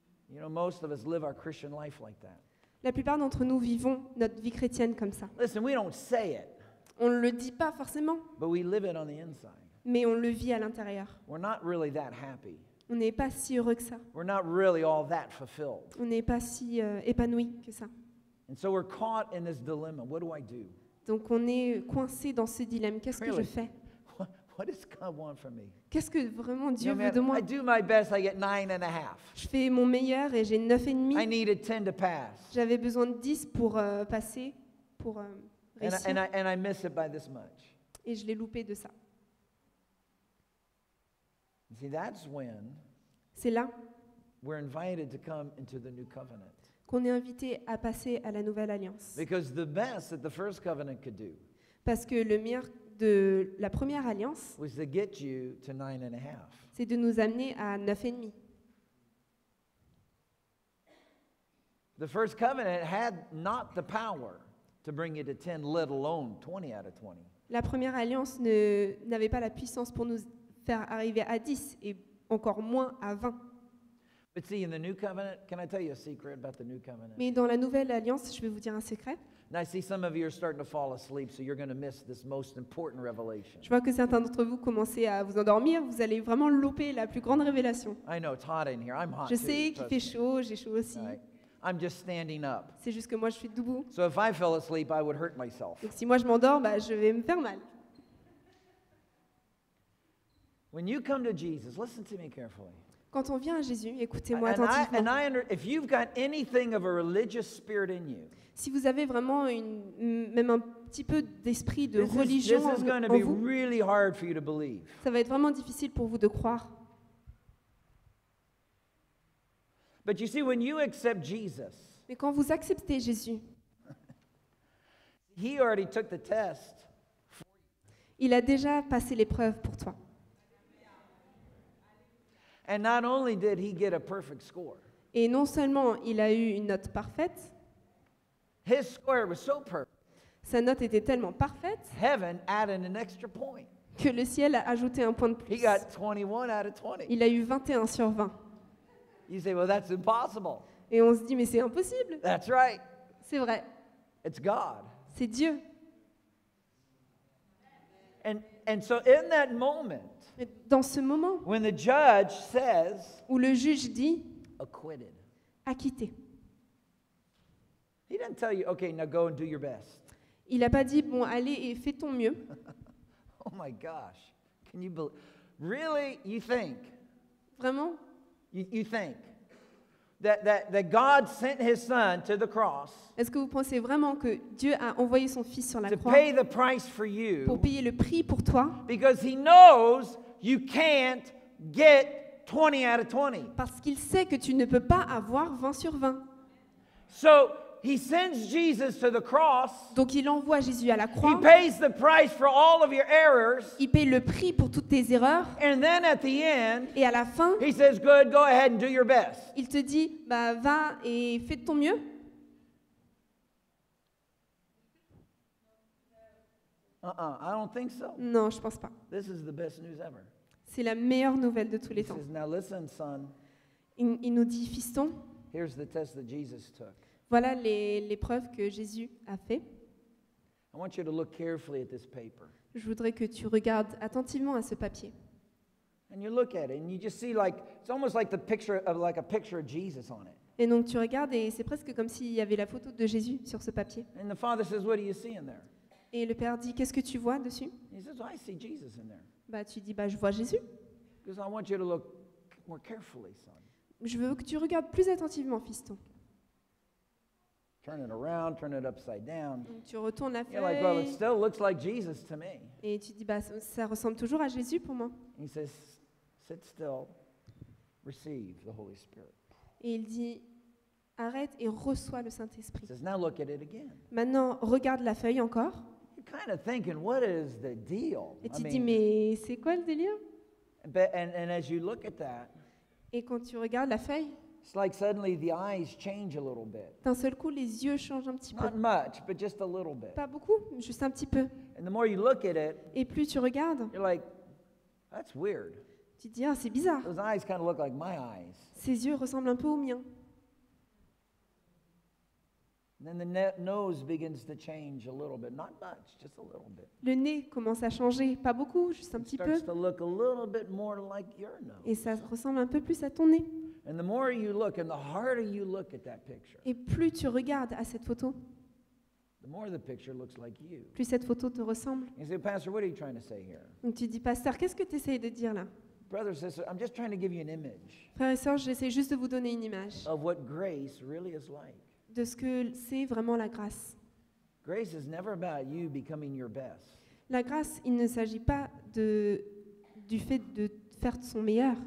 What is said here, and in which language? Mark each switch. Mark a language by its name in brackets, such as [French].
[English] You know, most of us live our Christian life like that. [French] La plupart d'entre nous vivons notre vie chrétienne comme ça. [English] Listen, we don't say it, [French] on ne le dit pas forcément. [English] But we live it on the inside. [French] Mais on le vit à l'intérieur. [English] We're not really that happy. [French] On n'est pas si heureux que ça. [English] We're not really all that fulfilled. [French] On n'est pas si épanoui que ça. [English] And so we're caught in this dilemma. What do I do? [French] Donc on est coincé dans ce dilemme. Qu'est-ce [English] really? [French] Que je fais? [English] What does God want from me? [French] Qu'est-ce que vraiment Dieu veut de moi? [English] I do my best, I get 9.5. [French] Je fais mon meilleur et j'ai 9.5. [English] I needed 10 to pass. [French] J'avais besoin de 10 pour passer, pour réussir. [English] And I miss it by this much. [French] Et je l'ai loupé de ça. [English] See, that's when [French] c'est là [English] we're invited to come into the new covenant. [French] Qu'on est invité à passer à la nouvelle alliance. [English] Because the best that the first covenant could do. [French] Parce que le meilleur de la première alliance, c'est de nous amener à 9.5. [English] The first covenant had not the power to bring you to 10, let alone 20 out of 20. [French] La première alliance n'avait pas la puissance pour nous faire arriver à 10 et encore moins à 20. [English] But see, in the new covenant, can I tell you a secret about the new covenant? [French] Mais dans la nouvelle alliance, je vais vous dire un secret. [English] And I see some of you are starting to fall asleep, so you're going to miss this most important revelation. [French] Je vois que certains d'entre vous commencez à vous endormir. Vous allez vraiment louper la plus grande révélation. [English] I know it's hot in here. I'm hot. [French] Je sais [English] too, [French] qu'il fait chaud. J'ai chaud aussi. [English] Right. I'm just standing up. [French] C'est juste que moi je suis debout. [English] So if I fell asleep, I would hurt myself. [French] Donc si moi je m'endors, bah je vais me faire mal. [English] When you come to Jesus, listen to me carefully. [French] Quand on vient à Jésus, écoutez-moi attentivement. [English] If you've got anything of a religious spirit in you. [French] Si vous avez vraiment même un petit peu d'esprit de religion en vous, [English] really hard for you to believe. [French] Ça va être vraiment difficile pour vous de croire. [English] But you see, when you accept Jesus, [French] mais quand vous acceptez Jésus, [English] he already took the test for you. [French] Il a déjà passé l'épreuve pour toi. [English] And not only did he get a perfect score, [French] et non seulement il a eu une note parfaite, [English] his score was so perfect. [French] Sa note était tellement parfaite [English] Heaven added an extra point. [French] Que le ciel a ajouté un point de plus. [English] He got 21 out of 20. [French] Il a eu 21 sur 20. [English] You say, well, that's impossible. [French] Et on se dit, mais c'est impossible. [English] That's right. [French] C'est vrai. [English] It's God. [French] C'est Dieu. [English] And so in that moment, [French] dans ce moment, [English] when the judge says, [French] où le juge dit, [English] acquitted. [French] Acquitté. [English] He didn't tell you, okay, now go and do your best. [French] Il a pas dit, bon, allez et fais ton mieux. [English] Oh my gosh, can you believe? Really, you think? [French] Vraiment? [English] You think that God sent His Son to the cross? [French] Est-ce que vous pensez vraiment que Dieu a envoyé son Fils sur la croix? [English] To pay the price for you. [French] Pour payer le prix pour toi. [English] Because He knows you can't get 20 out of 20. [French] Parce qu'il sait que tu ne peux pas avoir 20 sur 20. [English] So He sends Jesus to the cross. [French] Donc il envoie Jésus à la croix. [English] He pays the price for all of your errors. [French] Il paye le prix pour toutes tes erreurs. [English] And then at the end, [French] et à la fin, [English] He says, "Good, go ahead and do your best." [French] Il te dit, bah va et fais de ton mieux. [English] I don't think so. [French] Non, je pense pas. [English] This is the best news ever. [French] C'est la meilleure nouvelle de tous les temps. [English] He says, "Now listen, son." [French] Il nous dit, fiston. [English] Here's the test that Jesus took. [French] Voilà les preuves que Jésus a fait. [English] I want you to look carefully at this paper. [French] Je voudrais que tu regardes attentivement à ce papier. [English] And you look at it and you just see like it's almost like the picture of like a picture of Jesus on it. [French] Et donc tu regardes et c'est presque comme s'il y avait la photo de Jésus sur ce papier. [English] And the father says, "What do you see in there?" [French] Et le père dit, "Qu'est-ce que tu vois dessus?" [English] He says, "Well, I see Jesus in there." [French] Bah tu dis, "Bah je vois Jésus." [English] Because I want you to look more carefully, son. [French] Je veux que tu regardes plus attentivement, fiston. [English] Turn it around, turn it upside down. [French] Tu retournes la feuille. [English] You're like, well, it still looks like Jesus to me. [French] Et tu dis, bah, ça ressemble toujours à Jésus pour moi. [English] He says, sit still, receive the Holy Spirit. [French] Et il dit, arrête et reçois le Saint-Esprit. [English] He says, now look at it again. [French] Maintenant, regarde la feuille encore. [English] You're kind of thinking, what is the deal? [French] Et tu dis, mais c'est quoi le délire? [English] And as you look at that, [French] et quand tu regardes la feuille, [English] it's like suddenly the eyes change a little bit. [French] D'un seul coup, les yeux changent un petit peu. [English] Not much, but just a little bit. [French] Pas beaucoup, juste un petit peu. [English] And the more you look at it, [French] et plus tu regardes, [English] you're like, that's weird. [French] Tu dis, ah, c'est bizarre. [English] Those eyes kind of look like my eyes. [French] Ses yeux ressemblent un peu aux miens. [English] And then the nose begins to change a little bit, not much, just a little bit. [French] Le nez commence à changer, pas beaucoup, juste un petit peu. [English] It starts to look a little bit more like your nose. [French] Et ça ressemble un peu plus à ton nez. [English] And the more you look and the harder you look at that picture. [French] Et plus tu regardes à cette photo. [English] The more the picture looks like you. [French] Plus cette photo te ressemble. [English] You say, "Pastor, what are you trying to say here?" [French] Donc tu dis, pasteur, qu'est-ce que tu essayes de dire là? [English] Brother, sister, I'm just trying to give you an image. [French] Frère et sœur, j'essaie juste de vous donner une image. [English] Of what grace really is like. [French] De ce que c'est vraiment la grâce. [English] Grace is never about you becoming your best. [French] La grâce, il ne s'agit pas de du fait de son meilleur.